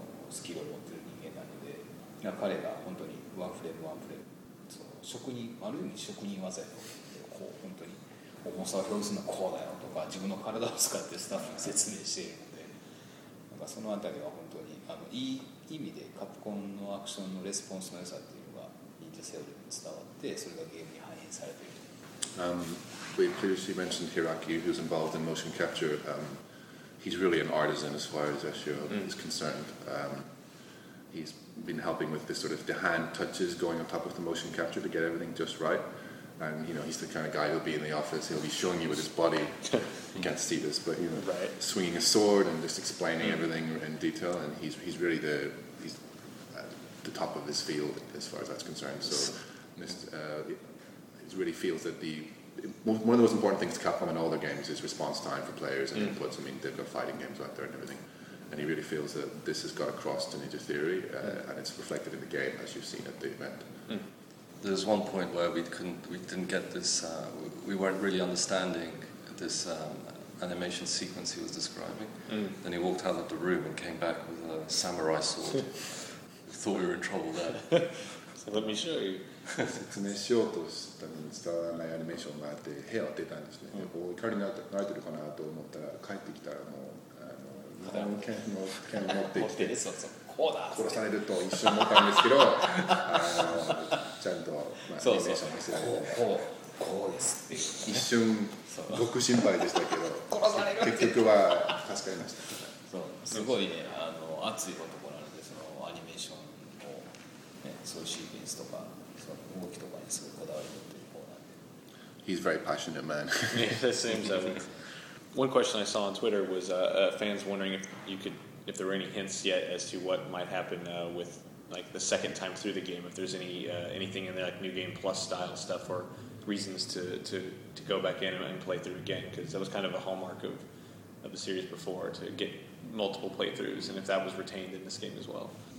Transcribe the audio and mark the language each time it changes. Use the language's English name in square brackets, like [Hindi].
[Japanese] スキルを持っている人間なので、彼が本当にワンフレームワンフレーム、その職人、ある意味職人技を持って、こう本当に重さを表すのはこうだよとか自分の体を使ってスタッフに説明しているのでなんかそのあたりは本当にいい意味でカプコンのアクションのレスポンスの良さっていうのがインターセオリーに伝わってそれがゲームに反映されている。 [English] We previously mentioned Hiraki, who's involved in motion capture. He's really an artisan as far as SEO is concerned. He's been helping with this sort of the hand touches going on top of the motion capture to get everything just right. And you know, he's the kind of guy who'll be in the office, he'll be showing you with his body, you can't see this, but you know, right, swinging a sword and just explaining everything in detail, and he's really he's at the top of his field as far as that's concerned. So it really feels that one of the most important things to Capcom in all their games is response time for players and inputs. I mean, they've got fighting games out there and everything, and he really feels that this has got across to Ninja Theory, and it's reflected in the game as you've seen at the event. There's one point where we didn't get this. We weren't really understanding this animation sequence he was describing. Then he walked out of the room and came back with a samurai sword. We thought we were in trouble there. So let me show you. [Japanese] 説明しようとしたのに伝わらないアニメーションがあって部屋を出たんですね。で、怒りになってるかなと思ったら帰ってきたらもう日本剣の剣を持ってきて。そうそう。殺されると一瞬思ったんですけどちゃんと、そうそうアニメーションを見せられてこうです一瞬僕心配でしたけど殺される結局は助かりました。そうすごいね熱い男なのでそのアニメーションを、ね、そういうシーケンスとかその動きとかにすごいこだわりを持っている方なんで [English] He's a very passionate man. Yeah, that seems like One question I saw on Twitter was fans wondering if there were any hints yet as to what might happen with like the second time through the game, if there's any anything in there like New Game Plus style stuff or reasons to go back in and play through again, because that was kind of a hallmark of the series before, to get multiple playthroughs, and if that was retained in this game as well.